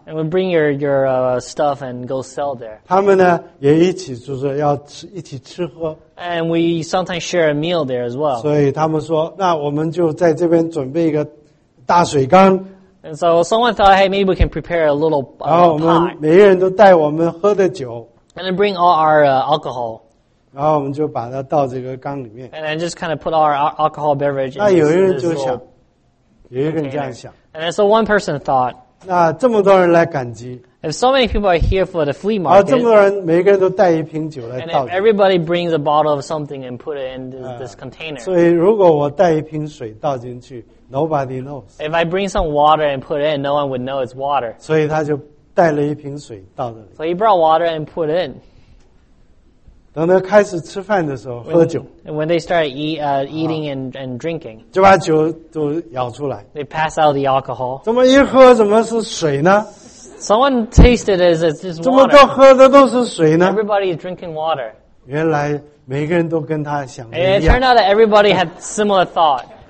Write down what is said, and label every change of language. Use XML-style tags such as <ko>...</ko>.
<en>And we bring your stuff and go sell there.</en> <zh>他们呢也一起就是要吃一起吃喝。</zh> <en>And we sometimes share a meal there as well.</en> <zh>所以他们说，那我们就在这边准备一个大水缸。</zh> <en>And so someone thought, hey, maybe we can prepare a little pot.</en> <zh>然后我们每个人都带我们喝的酒。</zh> <en>And then bring all our alcohol.</en> <zh>然后我们就把它倒这个缸里面。</zh> <en>And then just kind of put our alcohol beverage in.</en> <zh>那有人就想。有一个人这样想。</zh> <en>And so one person thought,</en> <zh>那这么多人来赶集,</zh> <en>if so many people are here for the flea market,</en> <zh>这么多人每个人都带一瓶酒来倒酒,</zh> <en>and everybody brings a bottle of something and put it in this container,</en> <zh>所以如果我带一瓶水倒进去,</zh> <en>nobody knows. If I bring some water and put it in, no one would know it's water.</en> <zh>所以他就带了一瓶水倒进去。</zh> <en>So he brought water and put it in.</en> <zh>等他开始吃饭的时候喝酒。</zh> <en>And when they start eating and drinking,</en> <zh>就把酒都舀出来。</zh> <en>They pass out the alcohol.</en> <zh>怎么一喝怎么是水呢?</zh> <en>Someone tasted it as it's water.</en> <zh>怎么都喝的都是水呢?</zh> <en>Everybody is drinking water.</en> <zh>原来每个人都跟他想的一样。</zh> <en>And it turned out that everybody had similar thought.</en>